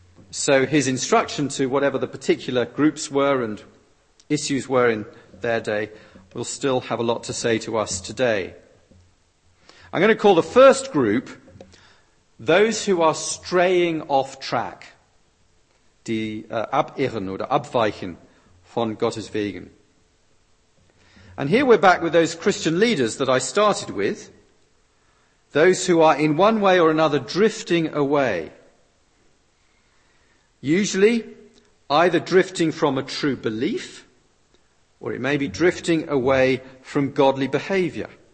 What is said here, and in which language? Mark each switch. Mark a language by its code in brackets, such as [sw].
[en] So his instruction to whatever the particular groups were and issues were in their day will still have a lot to say to us today. I'm going to call the first group those who are straying off track. [de] Die abirren oder abweichen von Gottes Wegen. [en] And here we're back with those Christian leaders that I started with, those who are in one way or another drifting away, usually either drifting from a true belief, or it may be drifting away from godly behavior.